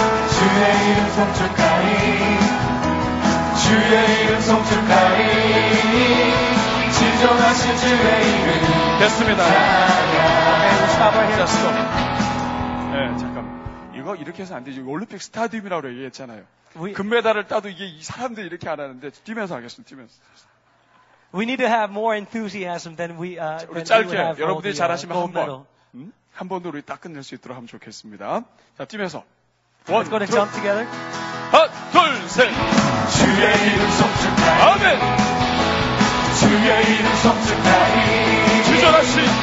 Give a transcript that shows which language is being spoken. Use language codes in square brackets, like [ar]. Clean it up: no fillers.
[ko] 주의 이름 송축하리 주의 이름 송축하리 지존하신 주의 이름 됐습니다 찬양 예, 잠깐만 이거 이렇게 해서 안 되지 올림픽 스타디움이라고 얘기했잖아요 금메달을 따도 이게 이 사람들이 이렇게 안 하는데 뛰면서 하겠습니다. 뛰면서. [en] We need to have more enthusiasm than we than [ko] 우리 짧게 여러분들이 잘하시면 한 번. 한 번도 우리 딱 끝낼 수 있도록 하면 좋겠습니다. 자, 뛰면서. [en] 1 2 jump together. [ko] 하나, 둘, 셋. 주의 이름 송축하리. 아멘. 주의 이름 송축하리. 지존하신